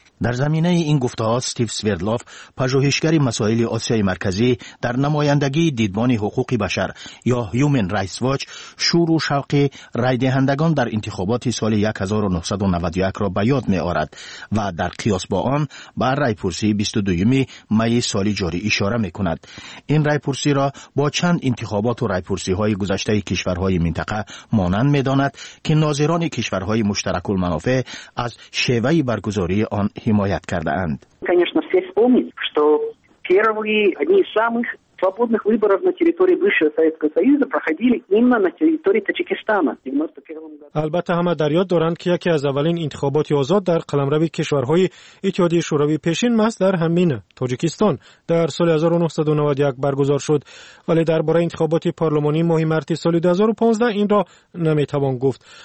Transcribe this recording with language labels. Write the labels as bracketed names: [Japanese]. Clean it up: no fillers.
[Persian] در زمینه این گفته‌ها استیو سویردلوف، پژوهشگر مسائل آسیای مرکزی در نمایندگی دیدبان حقوق بشر یا Human Rights Watch، شور و شوق رای دهندگان در انتخابات سال 1991 را به یاد می‌آورد و در قیاس با آن به رایپرسی 22 می سال جاری اشاره می‌کند. این رایپرسی را با چند انتخابات و رایپرسی‌های گذشته کشورهای منطقه مانند می‌داند که ناظران کشورهای مشترک المنافع از شیوه برگزاری آن حمایت کرده اند. [Russian] Конечно, все помнят, что первые одни из самых свободных выборов на территории бывшего Советского Союза проходили именно на территории Таджикистана. [Persian] البته همه در یاد دارند که یکی از اولین انتخابات آزاد در قلمرو کشورهای اتحادیه شوروی پیشین محض در همین تاجیکستان در سال 1991 برگزار شد، ولی درباره انتخابات پارلمانی ماه مارس سال 2015 این را نمیتوان گفت.